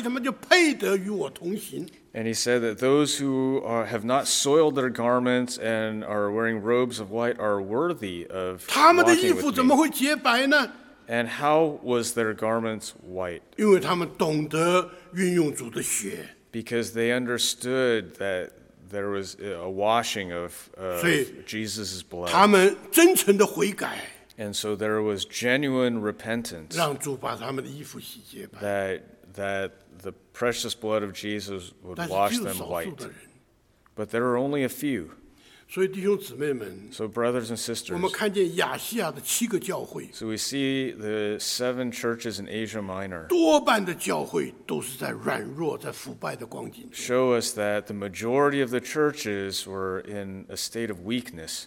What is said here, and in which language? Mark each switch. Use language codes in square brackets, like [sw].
[en] and he said that those who are, have not soiled their garments and are wearing robes of white are worthy of walking with me. And how was their garments white? [zh] 因为他们懂得运用主的血。 [en] Because they understood that there was a washing of Jesus' blood. [zh] 他们真诚地悔改, [en] and so there was genuine repentance. [zh] 让主把他们的衣服洗洁白, [en] that the precious blood of Jesus would wash them white. But there are only a few. [zh] 所以弟兄姊妹们, [en] so brothers and sisters, [zh] 我们看见亚细亚的七个教会, [en] so we see the seven churches in Asia Minor [zh] 多半的教会都是在软弱, [en] show us that the majority of the churches were in a state of weakness.